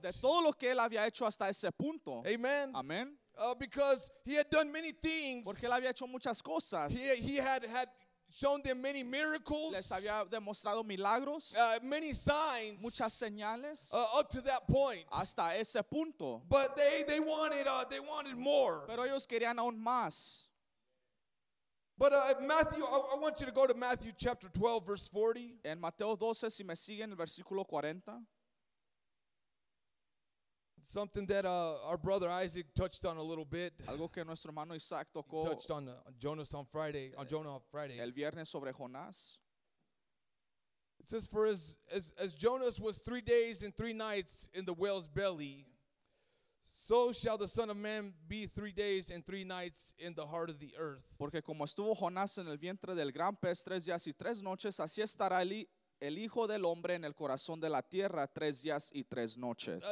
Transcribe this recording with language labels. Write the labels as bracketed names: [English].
[Spanish] De todo lo que él había hecho hasta ese punto. Amen. Amen. [English] Because He had done many things. [Spanish] Porque él había hecho muchas cosas. [English] He had shown them many miracles. [Spanish] Les había demostrado milagros. [English] Many signs. [Spanish] Muchas señales. [English] Up to that point. [Spanish] Hasta ese punto. [English] But they wanted more. [Spanish] Pero ellos querían aún más. [English] But Matthew, I want you to go to Matthew chapter 12, verse 40. [Spanish] En Mateo 12, si me siguen, el versículo 40. [English] Something that our brother Isaac touched on a little bit. [Spanish] Algo que nuestro hermano Isaac tocó. [English] He touched on Jonas on Friday, on Jonah on Friday. [Spanish] El viernes sobre Jonás. [English] It says, for as Jonas was 3 days and 3 nights in the whale's belly, so shall the Son of Man be 3 days and 3 nights in the heart of the earth. [Spanish] Porque como estuvo Jonás en el vientre del gran pez 3 días y 3 noches, así estará el Hijo del Hombre en el corazón de la tierra 3 días y 3 noches.